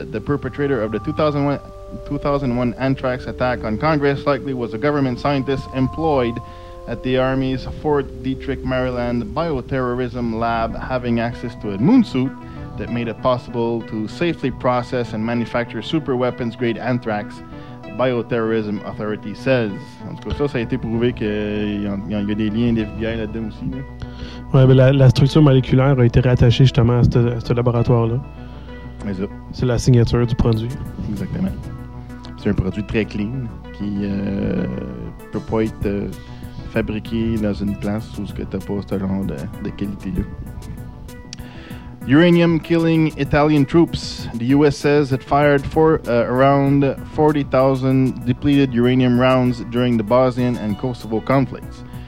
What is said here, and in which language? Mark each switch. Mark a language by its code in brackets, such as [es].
[en] The perpetrator of the 2001 anthrax attack on Congress likely was a government scientist employed at the Army's Fort Detrick, Maryland bioterrorism lab, having access to a moon suit that made it possible to safely process and manufacture super weapons-grade anthrax. Bioterrorism Authority says. [fr] En tout cas, ça a été prouvé qu'il y a des liens d'FBI là-dedans aussi. Là. Ouais, mais la structure moléculaire a été rattachée justement à ce laboratoire-là. Mais ça. C'est la signature du produit. Exactement. C'est un produit très clean qui ne peut pas être fabriqué dans une place où tu n'as pas ce genre de qualité-là. [en] Uranium killing Italian troops. The U.S. says it fired around 40,000 depleted uranium rounds during the Bosnian and Kosovo conflicts.